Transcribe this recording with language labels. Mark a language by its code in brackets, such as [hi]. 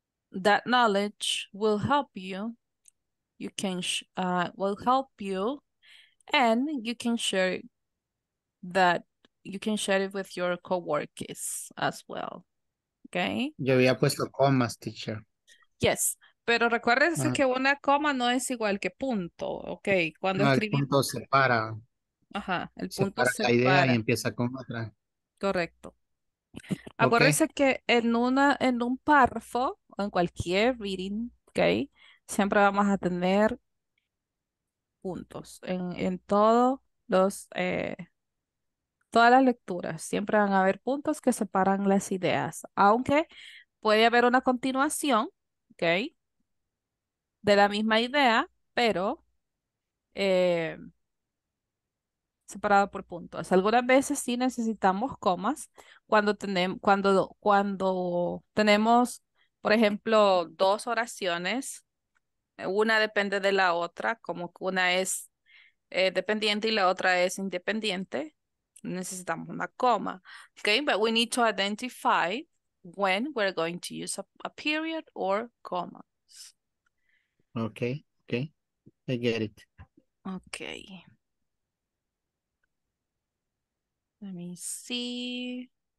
[en] That knowledge will help you. You can will help you, and you can share that. You can share it with your coworkers as well. Okay. [es] Yo había puesto comas, teacher. [en] Yes. [es] Pero recuérdense que una coma no es igual que punto, ¿ok? Cuando escribimos... el punto separa. Ajá, el punto separa. La idea y empieza con otra. Correcto. Okay. Acuérdense que en un párrafo, en cualquier reading, ¿ok? Siempre vamos a tener puntos. En todos los... todas las lecturas siempre van a haber puntos que separan las ideas. Aunque puede haber una continuación, ¿ok? De la misma idea, pero separado por puntos. Algunas veces sí necesitamos comas cuando tenemos, por ejemplo, dos oraciones. Una depende de la otra, como una es dependiente y la otra es independiente. Necesitamos una coma. [en] Okay, but we need to identify when we're going to use a period or comma. Okay, okay, I get it. Okay. Let me see.